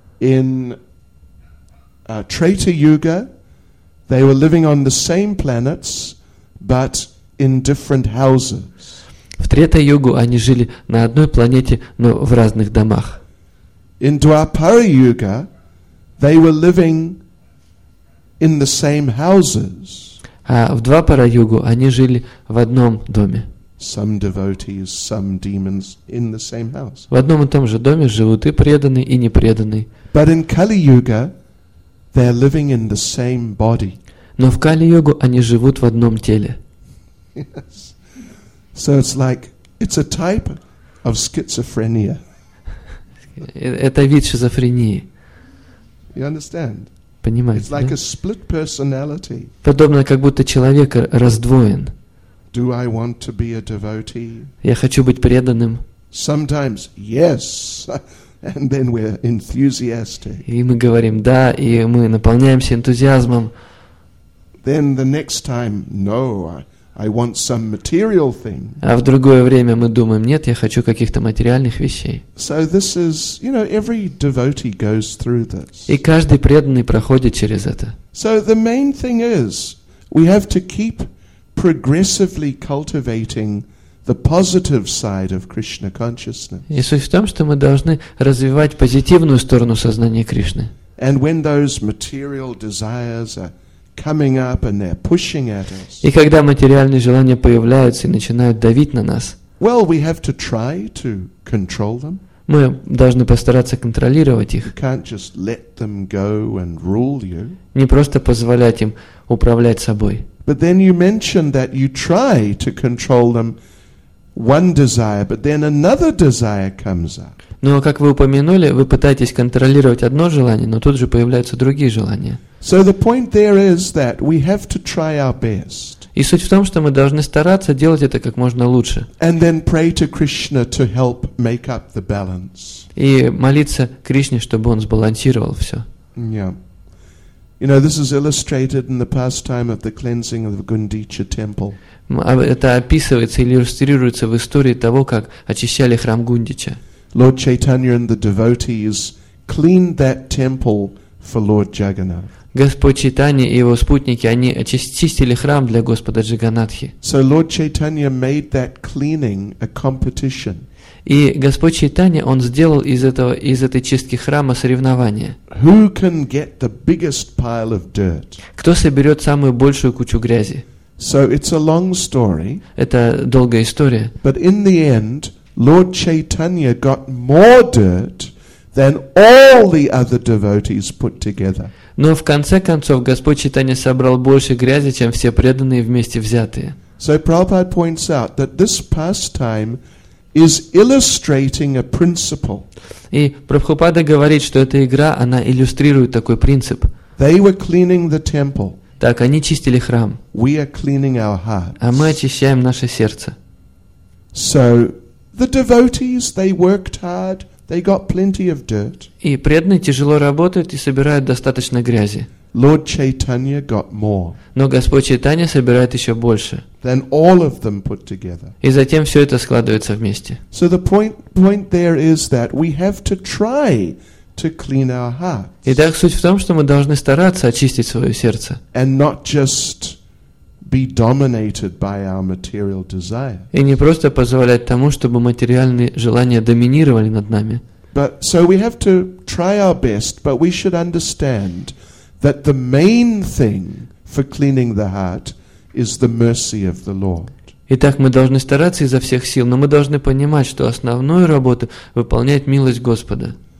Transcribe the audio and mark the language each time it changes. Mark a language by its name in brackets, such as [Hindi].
[English] In Трета-юга. They were living on the same planets, but in different houses. [Russian] В Трета-югу они жили на одной планете, но в разных домах. [English] In Двапара-юга, they were living in the same houses. [Russian] А в Двапара-югу они жили в одном доме. [English] Some devotees, some demons in the same house. [Russian] В одном и том же доме живут и преданные, и непреданные. [English] But in Кали-юга, they're living in the same body. [Russian] Но в Кали-йогу они живут в одном теле. [English] Yes. So it's like it's a type of schizophrenia. [Russian] Это вид шизофрении. [English] You understand? [Russian] Понимаете? [English] It's like a split personality. [Russian] Подобно как будто человек раздвоен. [English] Do I want to be a devotee? [Russian] Я хочу быть преданным. [English] Sometimes yes. And then we're enthusiastic. [Russian] И мы говорим да, и мы наполняемся энтузиазмом. [English] Then the next time, no, I want some material thing. [Russian] А в другое время мы думаем, нет, я хочу каких-то материальных вещей. [English] So this is, you know, every devotee goes through this. [Russian] И каждый преданный проходит через это. [English] So the main thing is, we have to keep progressively cultivating the positive side of Krishna consciousness. [Russian] И суть в том, что мы должны развивать позитивную сторону сознания Кришны. [English] And when those material desires are coming up and they're pushing at us. [Russian] И когда материальные желания появляются и начинают давить на нас. [English] Well, we have to try to control them. [Russian] Мы должны постараться контролировать их. [English] You can't just let them go and rule you. [Russian] Не просто позволять им управлять собой. [English] But then you mention that you try to control them one desire, but then another desire comes up. [Russian] Но, как вы упомянули, вы пытаетесь контролировать одно желание, но тут же появляются другие желания. [English] So the point there is that we have to try our best. [Russian] И суть в том, что мы должны стараться делать это как можно лучше. [English] And then pray to Krishna to help make up the balance. [Russian] И молиться Кришне, чтобы он сбалансировал все. [English] Yeah. You know, this is illustrated in the pastime of the cleansing of the Gundicha temple. [Russian] Это описывается или иллюстрируется в истории того, как очищали храм Гундича. [English] Lord Chaitanya and the devotees cleaned that temple for Lord Jagannath. [Russian] Господь Чайтанья и его спутники, они очистили храм для Господа Джаганатхи. [English] So Lord Chaitanya made that cleaning a competition. [Russian] И Господь Чайтанья, он сделал из этой чистки храма соревнование. [English] Who can get the biggest pile of dirt? [Russian] Кто соберет самую большую кучу грязи? [English] So it's a long story. [Russian] Это долгая история. [English] But in the end, Lord Chaitanya got more dirt than all the other devotees put together. [Russian] Но в конце концов Господь Чайтанья собрал больше грязи, чем все преданные вместе взятые. [English] So Prabhupada points out that this pastime is illustrating a principle. [Russian] И Прабхупада говорит, что эта игра, она иллюстрирует такой принцип. [English] They were cleaning the temple. [Russian] Так они чистили храм. [English] We are cleaning our hearts. [Russian] А мы очищаем наше сердце. [English] So the devotees, they worked hard. They got plenty of dirt. [Russian] И преданные тяжело работают и собирают достаточно грязи. [English] Lord Chaitanya got more. [Russian] Но Господь Чайтанья собирает еще больше. [English] Then all of them put together. [Russian] И затем все это складывается вместе. [English] So the point there is that we have to try to clean our hearts. [Russian] Итак, суть в том, что мы должны стараться очистить свое сердце. [English] And not just be dominated by our material desire. [Russian] И не просто позволять тому, чтобы материальные желания доминировали над нами. [English] But so we have to try our best, but we should understand that the main thing for cleaning the heart is the mercy of the Lord. [Russian] Итак, мы должны стараться изо всех сил, но мы должны понимать, что основную работу выполняет милость Господа.